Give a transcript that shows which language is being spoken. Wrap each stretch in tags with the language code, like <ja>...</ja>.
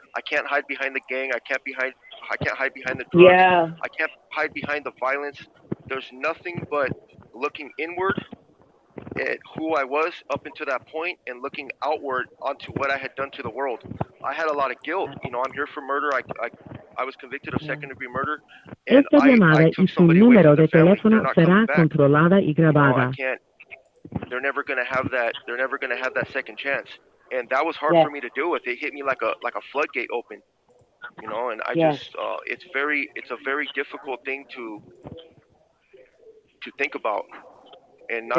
<en>I can't hide behind the gang. I can't hide behind the drugs. Yeah. I can't hide behind the violence. There's nothing but looking inward at who I was up until that point and looking outward onto what I had done to the world. I had a lot of guilt. You know, I'm here for murder. I was convicted of second-degree murder.</en> <es>Esta llamada y su número de teléfono será controlada y grabada.</es> <en>You know, they're never going to have that second chance. And that was hard for me to deal with. It hit me like a floodgate open, you know. And it's a very difficult thing to think about. And not</en>